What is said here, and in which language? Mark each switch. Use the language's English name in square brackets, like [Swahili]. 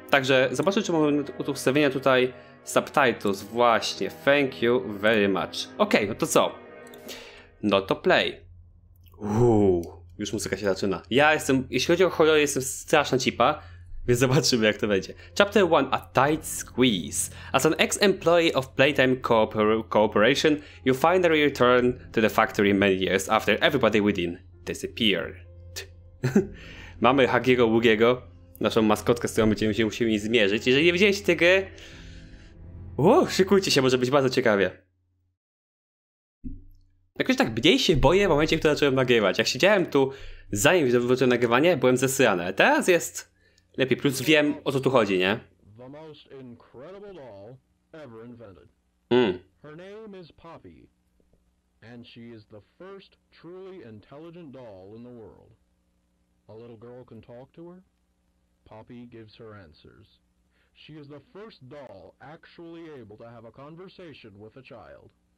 [Polish] Także zobaczę, czy mamy ustawienia tutaj subtitles. Właśnie. [English] Thank you very much. [Polish] Okej, okay, no to co? No to play. Już muzyka się zaczyna. Ja jestem, jeśli chodzi o horror, jestem straszna cipa. Więc zobaczymy, jak to będzie. [English] Chapter 1. A tight squeeze. As an ex-employee of Playtime Corporation, you finally return to the factory many years after everybody within disappeared. [Polish] Mamy Hagiego Wugiego, naszą maskotkę, z którą będziemy się musieli zmierzyć. Jeżeli nie widzieliście tej gry, szykujcie się, może być bardzo ciekawie. Jakoś tak mniej się boję w momencie, kiedy zacząłem nagrywać. Jak siedziałem tu, zanim zacząłem nagrywanie, byłem zesrany. Teraz jest... lepiej, plus wiem, o co tu chodzi, nie? [English] The most incredible doll ever invented. Her name is Poppy, and she is the first truly intelligent doll in the world. A little girl can talk to her. Poppy gives her answers. She is the first doll actually able to have a conversation with a child.